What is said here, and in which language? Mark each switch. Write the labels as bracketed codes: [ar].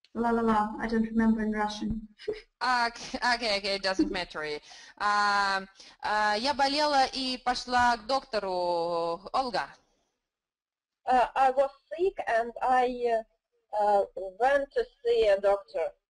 [en] La la la, I don't remember in Russian. Okay, it doesn't matter. [ru] Я болела и пошла к доктору, Ольга. [en] I was sick and I went to see a doctor.